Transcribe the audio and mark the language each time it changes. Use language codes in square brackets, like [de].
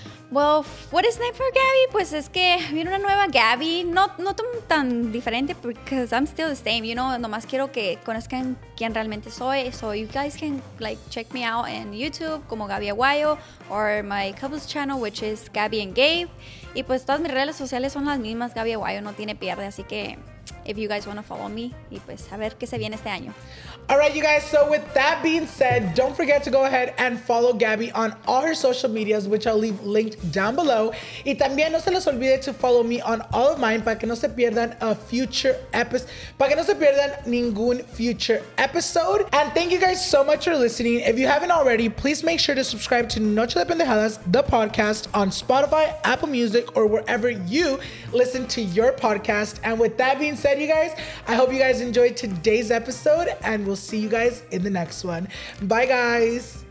[en] Well, what is next for Gabby? [es] Pues es que viene una nueva Gabby. No tan diferente [en] because I'm still the same, you know. [es] Nomás quiero que conozcan quién realmente soy. [en] So you guys can like check me out on YouTube como Gabbi Aguayo or my couple's channel, which is Gabby and Gabe. [es] Y pues todas mis redes sociales son las mismas. Gabbi Aguayo no tiene pierde. Así que [en] if you guys want to follow me, [es] y pues a ver qué se viene este año. [en] All right, you guys, so with that being said, don't forget to go ahead and follow Gabby on all her social medias, which I'll leave linked down below. [es] Y también no se les olvide [en] to follow me on all of mine [es] para que no se pierdan ningún future episode. [en] And thank you guys so much for listening. If you haven't already, please make sure to subscribe to Noche de Pendejadas, the podcast, on Spotify, Apple Music, or wherever you listen to your podcast. And with that being said, you guys, I hope you guys enjoyed today's episode, and we'll see you guys in the next one. Bye, guys.